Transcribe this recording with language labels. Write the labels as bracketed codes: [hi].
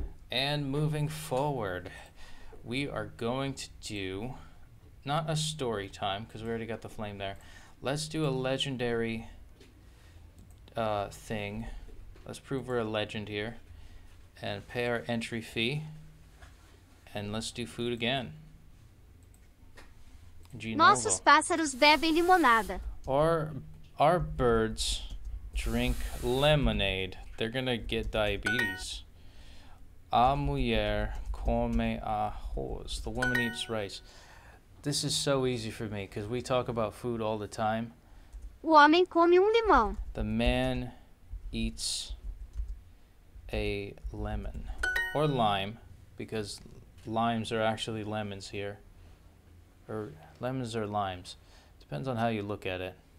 [en] And moving forward, we are going to do not a story time because we already got the flame there. Let's do a legendary thing. Let's prove we're a legend here and pay our entry fee and let's do food again. [pt] Nossos pássaros bebem limonada. [en] Our birds drink lemonade. They're going to get diabetes. [pt] A mulher come arroz. [en] The woman eats rice. This is so easy for me because we talk about food all the time. [pt] O homem come limão. [en] The man eats a lemon or lime, because limes are actually lemons here, or lemons are limes, depends on how you look at it.